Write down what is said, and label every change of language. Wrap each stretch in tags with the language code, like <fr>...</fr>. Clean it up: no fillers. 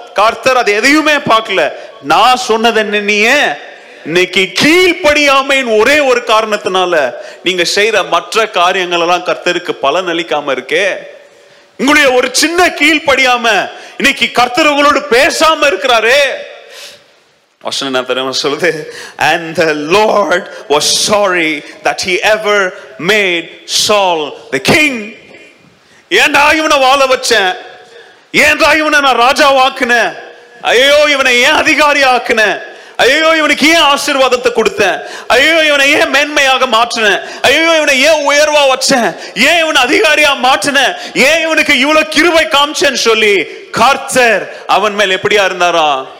<ta>கர்த்தர் அதை எதையுமே பார்க்கல. நான் சொன்னது என்னன்னே இன்னைக்கு கீழ்படியாமையின் ஒரே ஒரு காரணத்தினால நீங்க செய்யற மற்ற காரியங்கள் எல்லாம் கர்த்தருக்கு பலன் அளிக்காம இருக்கே. உங்களுடைய ஒரு சின்ன கீழ்படியாம இன்னைக்கு கர்த்தர் உங்களோடு பேசாம இருக்கிறாரே. சொல்லுது,</ta> <en>and the Lord was sorry that he ever made Saul the king.</en> <ta>ஏன்டா இவனை வாழ வச்சேன், ஏன்டா இவனை நான் ராஜா ஆக்குனேன், ஐயோ இவனை ஏன் அதிகாரி ஆக்குனேன், ஐயோ இவனுக்கு ஏன் ஆசீர்வாதத்தை கொடுத்தேன், ஐயோ இவனை ஏன் மேன்மையாக மாற்றினேன், ஐயோ இவனை ஏன் உயர்வா வச்சேன், ஏன் இவனை அதிகாரியா மாற்றினேன், ஏன் இவனுக்கு இவ்வளவு கிருபை காமிச்சேன்னு சொல்லி கர்த்தர் அவன் மேல் எப்படியா இருந்தாரா.</ta>